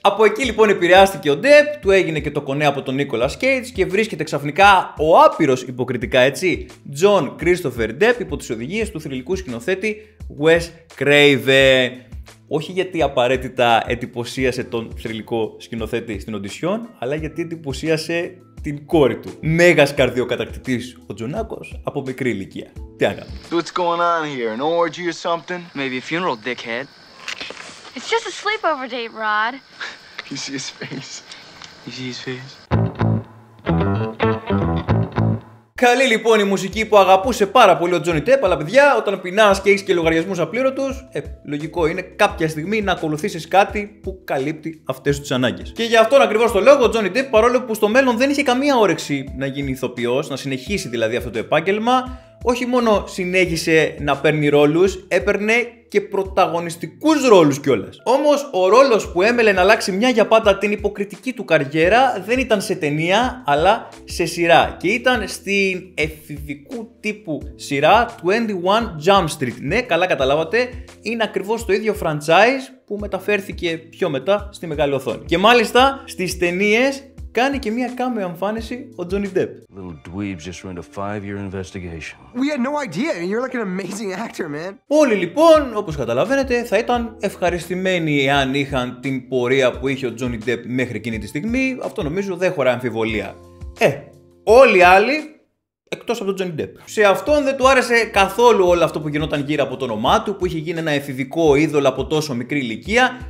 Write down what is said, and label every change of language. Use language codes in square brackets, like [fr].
[el] Από εκεί λοιπόν επηρεάστηκε ο Ντεπ, του έγινε και το κονέ από τον Nicolas Cage και βρίσκεται ξαφνικά ο άπειρος υποκριτικά, έτσι, John Christopher Ντεπ υπό τις οδηγίες του θρηλυκού σκηνοθέτη Wes Craven. Όχι γιατί απαραίτητα εντυπωσίασε τον θρηλυκό σκηνοθέτη στην οντισιόν, αλλά γιατί εντυπωσίασε την κόρη του. Μέγας καρδιοκατακτητής ο Τζονάκος από μικρή ηλικία. Τι άγαμε. [en] So what's going on here, an orgy or something? Maybe a funeral, dickhead. It's just a sleepover date, Rod. You see his face? You see his face? [el] Καλή λοιπόν η μουσική που αγαπούσε πάρα πολύ ο Τζόνι Ντεπ, αλλά παιδιά, όταν πεινάς και έχεις και λογαριασμούς απλήρωτους, λογικό είναι κάποια στιγμή να ακολουθήσεις κάτι που καλύπτει αυτές τις ανάγκες. Και γι' αυτόν ακριβώς το λόγο, ο Τζόνι Ντεπ, παρόλο που στο μέλλον δεν είχε καμία όρεξη να γίνει ηθοποιός, να συνεχίσει δηλαδή αυτό το επάγγελμα, όχι μόνο συνέχισε να παίρνει ρόλους, έπαιρνε και πρωταγωνιστικούς ρόλους κιόλας. Όμως ο ρόλος που έμελε να αλλάξει μια για πάντα την υποκριτική του καριέρα δεν ήταν σε ταινία, αλλά σε σειρά. Και ήταν στην εφηβικού τύπου σειρά 21 Jump Street. Ναι, καλά καταλάβατε, είναι ακριβώς το ίδιο franchise που μεταφέρθηκε πιο μετά στη μεγάλη οθόνη. Και μάλιστα στις ταινίες κάνει και μια κάμεο εμφάνιση ο Τζόνι Ντεπ. [en] Little dweebs just ran a 5-year investigation. We had no idea. You're like an amazing actor, man. [el] Όλοι λοιπόν, όπως καταλαβαίνετε, θα ήταν ευχαριστημένοι εάν είχαν την πορεία που είχε ο Τζόνι Ντεπ μέχρι εκείνη τη στιγμή. Αυτό νομίζω δεν χωρά αμφιβολία. Όλοι οι άλλοι, εκτός από τον Johnny Depp. Σε αυτόν δεν του άρεσε καθόλου όλο αυτό που γινόταν γύρω από το όνομά του, που είχε γίνει ένα εφηβικό είδωλο από τόσο μικρή ηλικία.